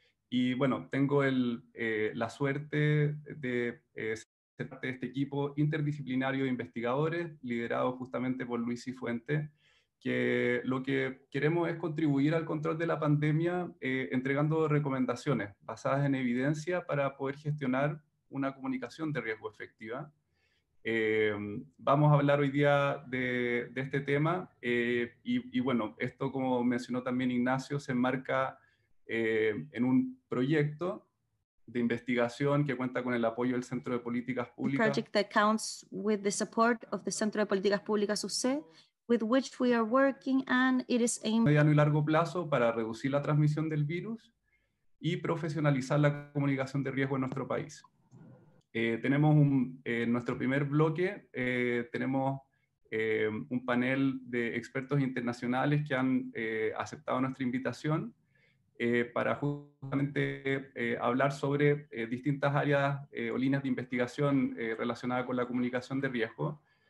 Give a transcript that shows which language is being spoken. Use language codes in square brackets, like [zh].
[es] Y bueno, tengo la suerte de ser parte de este equipo interdisciplinario de investigadores liderado justamente por Luis Cifuentes, que lo que queremos es contribuir al control de la pandemia entregando recomendaciones basadas en evidencia para poder gestionar una comunicación de riesgo efectiva. Vamos a hablar hoy día de este tema y bueno, esto como mencionó también Ignacio, se enmarca en un proyecto de investigación que cuenta con el apoyo del Centro de Políticas Públicas. [en] A project that counts with the support of the Centro de Políticas Públicas UC, with which we are working and it is aimed... [es] mediano y largo plazo para reducir la transmisión del virus y profesionalizar la comunicación de riesgo en nuestro país. Tenemos nuestro primer bloque, tenemos un panel de expertos internacionales que han aceptado nuestra invitación para justamente hablar sobre distintas áreas o líneas de investigación relacionadas con la comunicación de riesgo.